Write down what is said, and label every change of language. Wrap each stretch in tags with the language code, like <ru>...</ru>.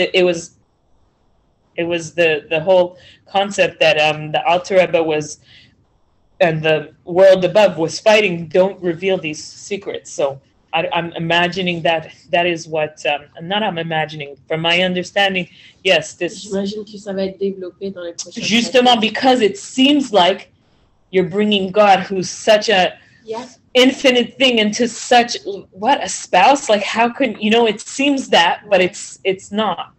<en>It was the whole concept that the Alter Rebbe was, and the world above was fighting, don't reveal these secrets. So I'm imagining that is what, not I'm imagining, from my understanding, yes, this...</en> <fr>J'imagine que ça va être développé dans les prochaines années.</fr> <en>Justement, because it seems like you're bringing God, who's such a infinite thing, into such, what, a spouse? Like, how can, you know, it seems that, but it's not.</en>